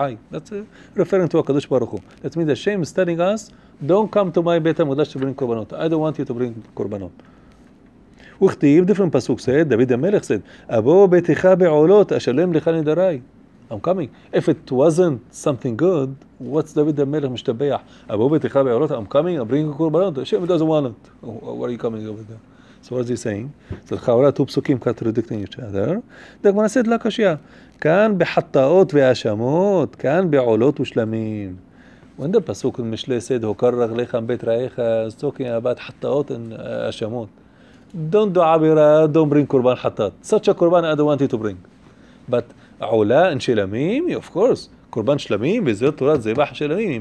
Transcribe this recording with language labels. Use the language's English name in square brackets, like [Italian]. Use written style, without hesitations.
[English] That's referring to HaKadosh Baruch Hu. That means Hashem is telling us, don't come to my bet HaMudash to bring korbanot. I don't want you to bring korbanot. [Hebrew] וכתיב, [English] different [Hebrew] פסוק, said, David המלך said, אבו ביתך בעולות, אשלם לך נדרי. [English] I'm coming. If it wasn't something good, what's David המלך משתבח? [Hebrew] אבו ביתך בעולות, [English] I'm coming, I'm bringing קורבנות. Hashem doesn't want it. What are you coming over there? So what is he saying? So the חברה, two פסוקים contradicting each other. The Gemara said, [Hebrew] לא קשיא. כאן בחטאות והאשמות, כאן בעולות ושלמים. [English] When the pasuk in Mishle said, [Hebrew] "Hokarach lechem beit ra'echa," [English] is talking about hatat and ashamot. Don't do abira. Don't bring korban hatat. Such a korban I don't want you to bring. But ola and shlamim, of course, korban shlamim, [Hebrew] bezot torat zebah shlamim.